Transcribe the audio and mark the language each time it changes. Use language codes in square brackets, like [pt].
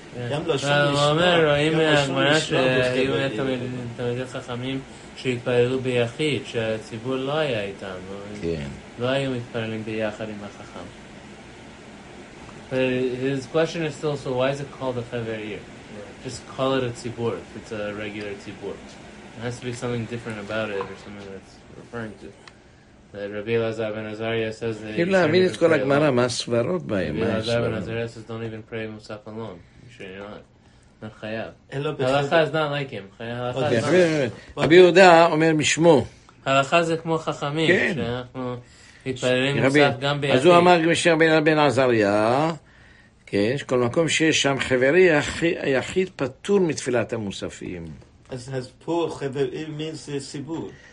[he] הוא אומר, רואים מהגמרא שהיו תלמידי חכמים שהתפללו ביחיד, שהציבור לא היה איתם, לא היו מתפללים ביחד עם החכם. [en] But his question is still, so why is it called a chever ir? Just call it a tzibur, if it's a regular tzibur. It has to be something different about it, or something that's referring to. That Rabbi Elazar ben Azariah says that... [he] אם להאמין את כל הגמרא, מה הסברות בהם? [en] Rabbi Elazar ben Azariah says, don't even pray מוסף alone. הלכה is not like him. [he] רבי יהודה אומר משמו. הלכה זה כמו חכמים, שאנחנו מתפללים מוסף גם ביחיד. אז הוא אמר משה בן עזריה, כן, כל מקום שיש שם חברי היחיד פטור מתפילת המוספים. אז פה חברי מין זה סיבור.